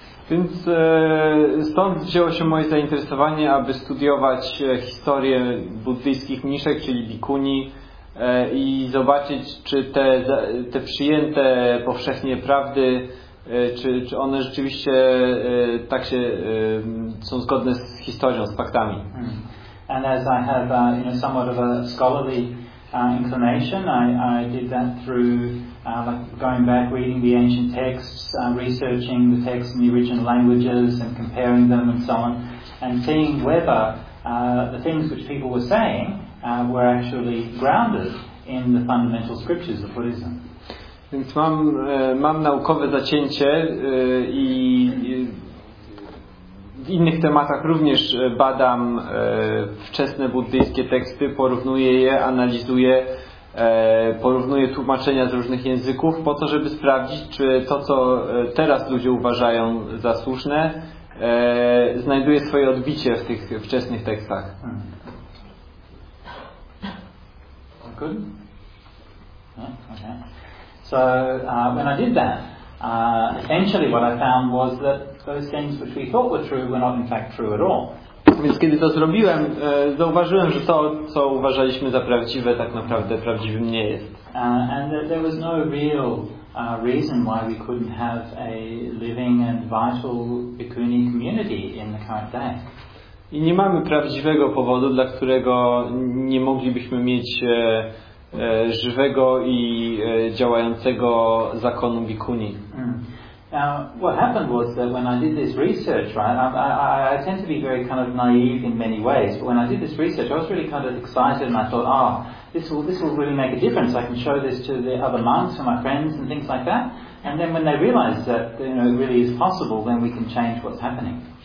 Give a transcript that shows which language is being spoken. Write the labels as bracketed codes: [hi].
[pl] Więc stąd wzięło się moje zainteresowanie, aby studiować historię buddyjskich mniszek, czyli bikuni, i zobaczyć, czy te przyjęte powszechnie prawdy, czy one rzeczywiście tak się są zgodne z historią, z faktami. [en] And as I have you know, somewhat of a scholarly inclination, I did that through like going back, reading the ancient texts, researching the texts in the original languages and comparing them and so on, and seeing whether the things which people were saying were actually grounded in the fundamental scriptures of Buddhism. [pl] Więc mam naukowe zacięcie i w innych tematach również badam wczesne buddyjskie teksty, porównuję je, analizuję, porównuję tłumaczenia z różnych języków po to, żeby sprawdzić, czy to, co teraz ludzie uważają za słuszne, znajduje swoje odbicie w tych wczesnych tekstach. [en] Good? Yeah, okay. So when I did that, essentially what I found was that those things which we thought were true were not in fact true at all. [pl] Więc kiedy to zrobiłem, zauważyłem, że to, co uważaliśmy za prawdziwe, tak naprawdę prawdziwym nie jest. [en] And that there was no real reason why we couldn't have a living and vital bhikkhuni community in the current day. [pl] I nie mamy prawdziwego powodu, dla którego nie moglibyśmy mieć żywego i działającego zakonu bhikkhuni. [en] Now, what happened was that when I did this research, right, I tend to be very kind of naive in many ways, but when I did this research, I was really kind of excited and I thought, this will really make a difference. I can show this to the other monks and my friends and things like that. And then when they realized that, you know, it really is possible, then we can change what's happening.